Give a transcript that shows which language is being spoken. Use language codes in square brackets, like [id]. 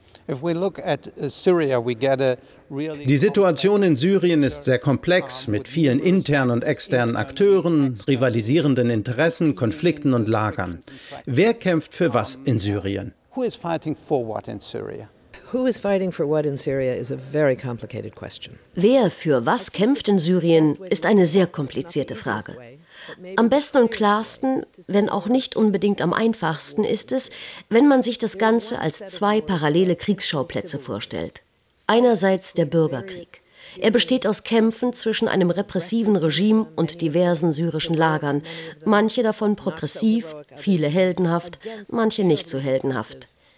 [de] Die Situation in Syrien ist sehr komplex, mit vielen internen und externen Akteuren, rivalisierenden Interessen, Konflikten und Lagern. Wer kämpft für was in Syrien? [en] Who is fighting for what in Syria? Who is fighting for what in Syria is a very complicated question. [de] Wer für was kämpft in Syrien, ist eine sehr komplizierte Frage. Am besten und klarsten, wenn auch nicht unbedingt am einfachsten, ist es, wenn man sich das Ganze als zwei parallele Kriegsschauplätze vorstellt. Einerseits der Bürgerkrieg. Er besteht aus Kämpfen zwischen einem repressiven Regime und diversen syrischen Lagern, manche davon progressiv, viele heldenhaft, manche nicht so heldenhaft.